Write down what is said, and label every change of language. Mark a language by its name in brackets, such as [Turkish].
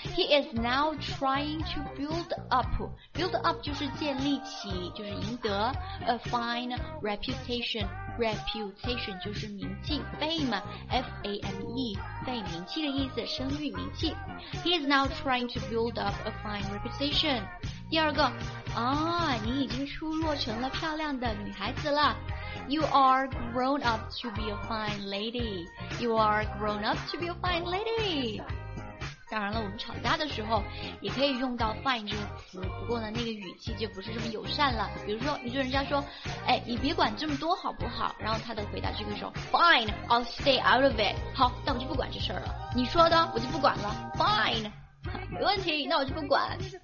[English] He is now trying to build up， build up [Chinese] 就是建立起，就是赢得 [English] a fine reputation， reputation [Chinese] 就是名气， [English] fame F-A-M-E fame [Chinese] 名气的意思，声誉名气。 [English] He is now trying to build up a fine reputation。 [Chinese] 第二个啊，你已经出落成了漂亮的女孩子了。 [English] You are grown up to be a fine lady. You are grown up to be a fine lady. [Chinese] 当然了，我们吵架的时候也可以用到 fine 这个词，不过呢，那个语气就不是这么友善了。比如说，你对人家说，哎，你别管这么多好不好？然后他的回答就会说 [English] ，Fine, I'll stay out of it. [Chinese] 好，那我就不管这事儿了。你说的，我就不管了。Fine. 没问题，那我就不管。